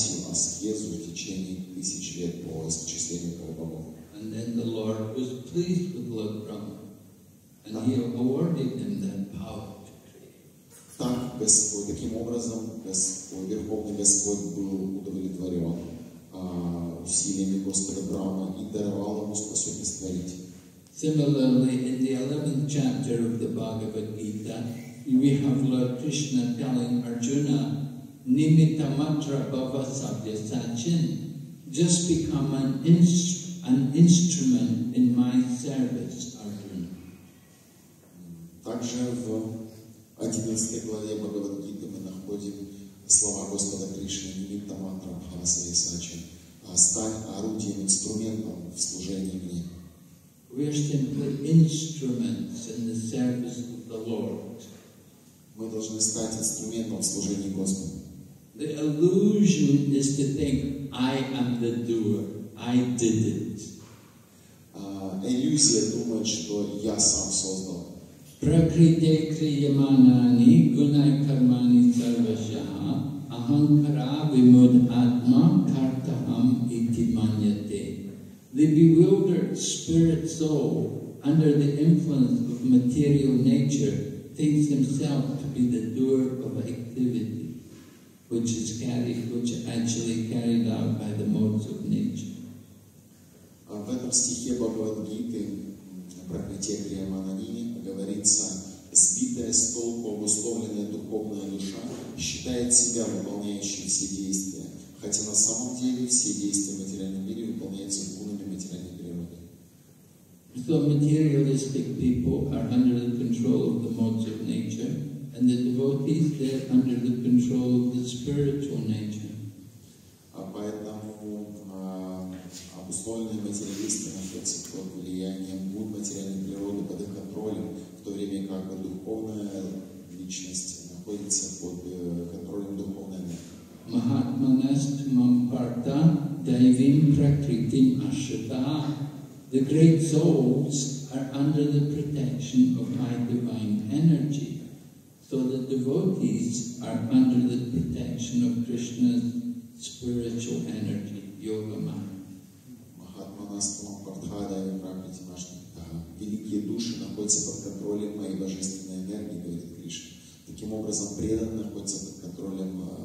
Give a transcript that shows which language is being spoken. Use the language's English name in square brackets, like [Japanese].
[English] And then the Lord was pleased with Lord Brahma. And he awarded them that power to create. [Russian] Так, Господь, таким образом, Господь, Верховный Господь был удовлетворен усилиями Господа Брама и даровал ему способность творить. [English] Similarly, in the 11th chapter of the Bhagavad Gita, we have Lord Krishna telling Arjuna, [Sanskrit] Nimitta Matra Bhava Sabya Sachin, [English] just become an instrument in my service, Arjuna. [Russian] Также в 11 главе Бхагавад Гиты мы находим слова Господа Кришны, [Sanskrit] Нимитта Матра Бхава Сабья Сачин, [Russian] стань орудием, инструментом в служении мне. [English] We are simply instruments in the service of the Lord. [Russian] Мы должны стать инструментом в служении Господу. [English] The illusion is to think I am the doer. I did it. [Russian] Иллюзия думать, что я сам создал. [Sanskrit] Прокрите криеманани гунай кармани сарвася аханкара вимудатма картахам ити маньяте. [English] The bewildered spirit soul, under the influence of material nature, thinks himself to be the doer of activity, which is actually carried out by the modes of nature. [Russian] В этом стихе Бхагавад-гиты, проклятие Криямананини, говорится, сбитая с толку обусловленная духовная душа считает себя выполняющим все действия, хотя на самом деле все действия в материальном мире выполняются гунами материальной природы. [English] So materialistic people are under the control of the modes of nature, and the devotees they're under the control of the spiritual nature. [Russian] А поэтому обусловленные материалисты находятся под влиянием гун материальной природы, под их контролем, в то время как духовная личность находится под контролем духовной энергии. [Sanskrit] Mahatmanastmam Partha Daivim Prakritim Ashrita. [English] The great souls are under the protection of my divine energy. So the devotees are under the protection of Krishna's spiritual energy, Yoga Maya. [Sanskrit] Mahatmanastmam Partha Daivim Prakritim Ashrita. [Russian] Великие души находятся под контролем моей божественной энергии, говорит Кришна. Таким образом, преданные находятся под контролем